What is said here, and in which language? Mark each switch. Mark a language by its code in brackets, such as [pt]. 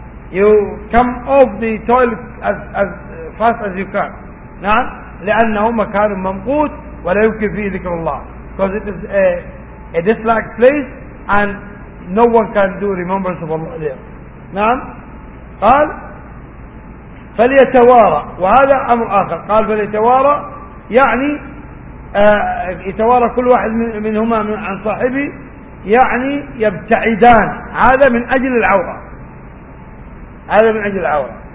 [en] You come off the toilet as fast as you can. [ar] نعم. لأنه مكان ممقوت ولا يمكن فيه ذكر الله. [en] Because it is a disliked place and no one can do remembrance of Allah there. [ar] نعم. قال فليتوارى، وهذا أمر آخر. قال فليتوارى يعني يتوارى كل واحد منهما عن صاحبه، يعني يبتعدان. هذا من أجل العورة، هذا من أجل العورة.